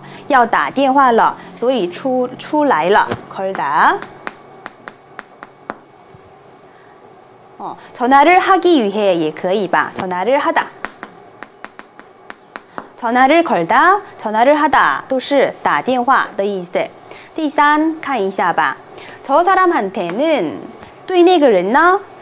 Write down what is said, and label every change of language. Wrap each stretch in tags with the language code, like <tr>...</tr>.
<zh>要打电话了,所以出来了.</zh> <ko>걸다. 전화를 하기 위해</ko> <zh>也可以吧?</zh> <ko>전화를 하다. 전화를 걸다, 전화를 하다,</ko> <zh>都是打电话的意思. 第三, 看一下吧.</zh> <ko>저 사람한테는</ko> <zh>对那个人呢?</zh>